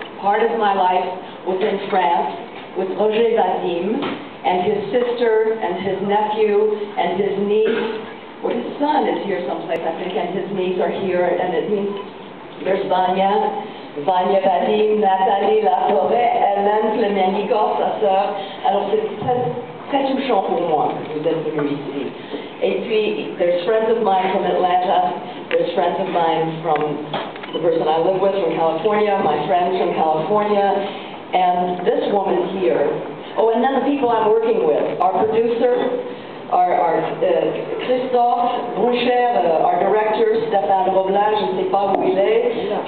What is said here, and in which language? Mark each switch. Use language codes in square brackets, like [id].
[en] part of my life was in France with Roger Vadim and his sister and his nephew and his niece, or his son is here someplace, I think, and his niece are here, and it means there's Vanya, Vanya Vadim, Nathalie Latoré, Hélène Flemenigor, [fr] sa sœur. Alors c'est très touchant pour moi d'être venu ici. Et puis, [en] there's friends of mine from Atlanta, there's friends of mine from the person I live with from California, my friends from California, and this woman here. Oh, and then the people I'm working with, our producer, our Christophe Boucher, our director, Stéphane Roblin, [fr] je ne sais pas où il est.